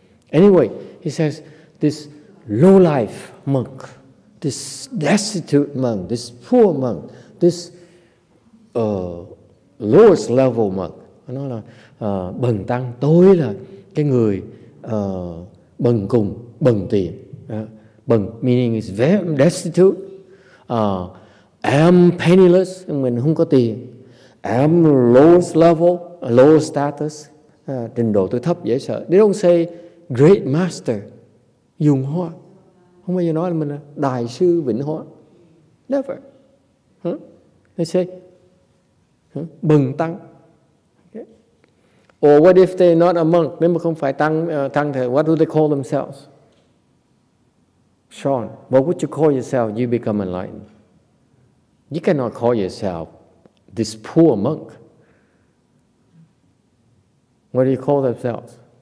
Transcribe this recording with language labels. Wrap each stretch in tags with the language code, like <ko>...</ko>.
<en>Anyway, he says this low life monk, this destitute monk, this poor monk, this lowest level monk.</en> <vi>Nó là bần tăng. Tôi là cái người bần cùng, bần tiện.</vi> <en>Bần meaning is very destitute. I'm penniless.</en> <vi>Mình không có tiền.</vi> <en>I'm lowest level, lowest status.</en> <vi>Trình độ tôi thấp dễ sợ.</vi> <en>They don't say great master</en> <vi>Dùng Hoa. Không bao giờ nói là mình là đại sư Vĩnh Hoa.</vi> <en>Never. They say bần tăng. Okay. Or what if they're not a monk?</en> <vi>Nếu mà không phải tăng, tăng thì</vi> <en>what do they call themselves? Sean, what would you call yourself if you become enlightened? You cannot call yourself this poor monk. What do you call themselves?</en>